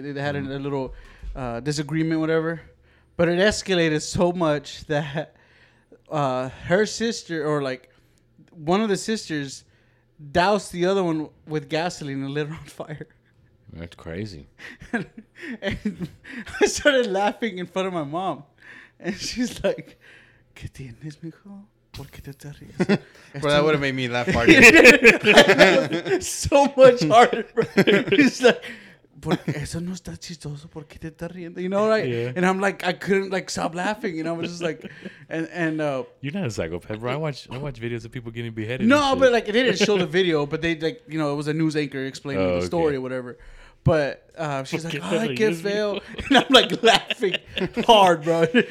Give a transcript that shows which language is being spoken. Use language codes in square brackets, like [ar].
[en] They had a little disagreement, whatever. But it escalated so much that her sister, or like one of the sisters, doused the other one with gasoline and lit her on fire. That's crazy. And I started laughing in front of my mom. And she's like, [es] ¿Qué tienes, mijo? [en] Bro, that would have made me laugh harder. So much harder. He's like, [es] eso no está chistoso, ¿por qué te estás riendo? [en] You know, right? Yeah. And I'm like, I couldn't like stop laughing. And I was just like, you're not a psychopath, bro. I watch videos of people getting beheaded. No, but like they didn't show the video, but they like, you know, it was a news anchor explaining the story or whatever. But she's like, I can't fail. And I'm like laughing hard, bro.